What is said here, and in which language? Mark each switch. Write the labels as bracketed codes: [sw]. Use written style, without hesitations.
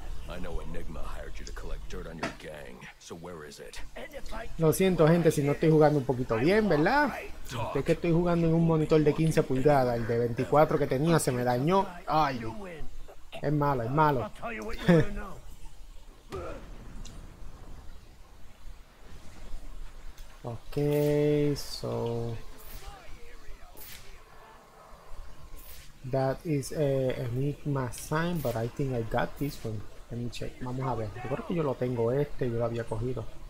[en] I know Enigma hired you to collect dirt on your gang. So where is it? [es] Lo siento, gente, si no estoy jugando un poquito bien, ¿verdad? Es que estoy jugando en un monitor de 15 pulgadas. El de 24 que tenía se me dañó. Ay, es malo, es malo. [en] Ok, so... That is a Enigma sign, but I think I got this one. [es] Vamos a ver, yo creo que yo lo tengo este, yo lo había cogido.